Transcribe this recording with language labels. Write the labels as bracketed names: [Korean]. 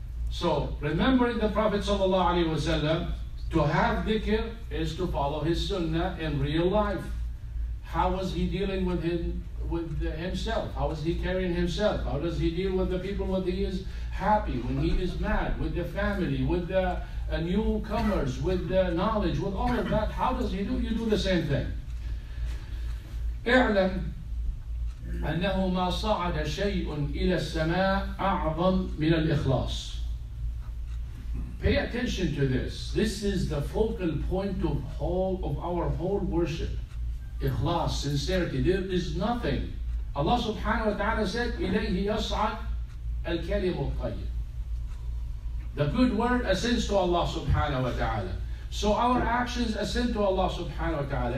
[English] So remembering the Prophet sallallahu alayhi wa sallam, to have dhikr is to follow his sunnah in real life. How was he dealing with him, with himself? How is he carrying himself? How does he deal with the people when he is happy, when he is mad, with the family, with the newcomers, with the knowledge, with all of that? How does he do? You do the same thing. [Arabic] اعلم أنه ما صعد شيء إلى السماء أعظم من الإخلاص. [English] Pay attention to this. This is the focal point of our whole worship. Ikhlas, sincerity. There is nothing. Allah subhanahu wa ta'ala said, [Arabic] إِلَيْهِ يَصْعَدْ الْكَلِمُ الطَّيِّبِ. [English] The good word ascends to Allah subhanahu wa ta'ala. So our actions ascend to Allah subhanahu wa ta'ala.